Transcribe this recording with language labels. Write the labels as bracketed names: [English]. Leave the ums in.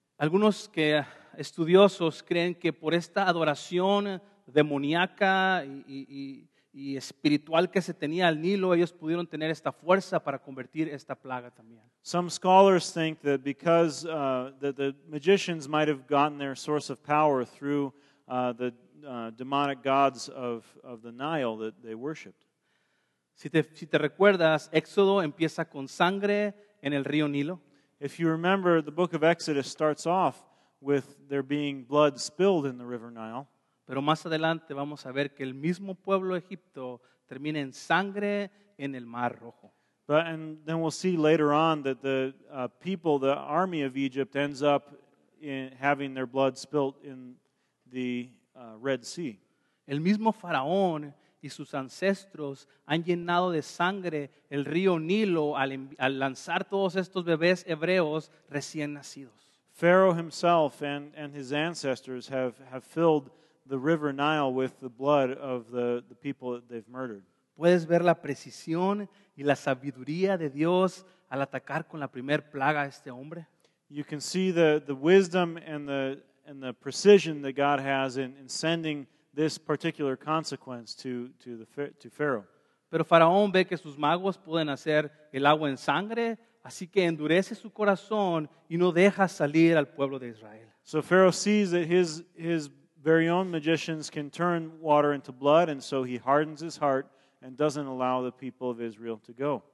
[Spanish] Some que estudiosos creen que por esta adoración demoníaca y, y, y y espiritual que se tenía al Nilo, ellos pudieron tener esta fuerza para convertir esta plaga también. [English] Some scholars think that because uh, that the magicians might have gotten their source of power through uh, the uh, demonic gods of, of, the Nile that they worshipped. [Spanish] Si, si te recuerdas, Éxodo empieza con sangre en el río Nilo. [English] If you remember, the book of Exodus starts off with there being blood spilled in the river Nile. [Spanish] Pero más adelante vamos a ver que el mismo pueblo de Egipto termina en sangre en el Mar Rojo. El mismo faraón y sus ancestros han llenado de sangre el río Nilo al, al lanzar todos estos bebés hebreos recién nacidos. [English] Pharaoh himself and, and his ancestors have, have filled the river Nile with the blood of the, the people that they've murdered. [Spanish] Puedes ver la precisión y la sabiduría de Dios al atacar con la primer plaga a este hombre. [English] You can see the, the wisdom and the, and the precision that God has in, in sending this particular consequence to, to, the, to Pharaoh. [Spanish] Pero Faraón ve que sus magos pueden hacer el agua en sangre, así que endurece su corazón y no deja salir al pueblo de Israel. [English] So Pharaoh sees that his, his very own magicians can turn water into blood, and so he hardens his heart and doesn't allow the people of Israel to go.